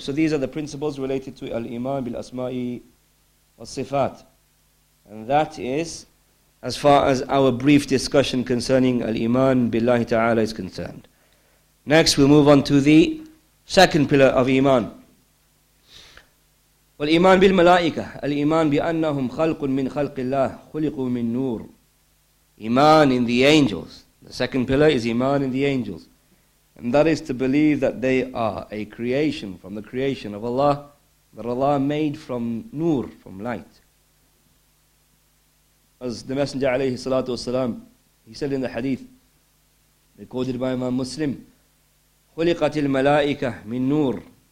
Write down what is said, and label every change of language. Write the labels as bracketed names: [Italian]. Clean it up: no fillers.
[English] So these are the principles related to al-iman bil-asma'i wa-sifat. And that is as far as our brief discussion concerning al-iman billahi ta'ala is concerned. Next we'll move on to the second pillar of iman. [Arabic] والإيمان بالملائكة الإيمان بأنهم خلق من خلق الله خلقوا من نور. [English] Iman in the angels. The second pillar is iman in the angels, and that is to believe that they are a creation from the creation of Allah, that Allah made from nur, from light. As the Messenger عليه الصلاة والسلام, he said in the hadith recorded by Imam Muslim, [Arabic] خلقت الملائكة من نور.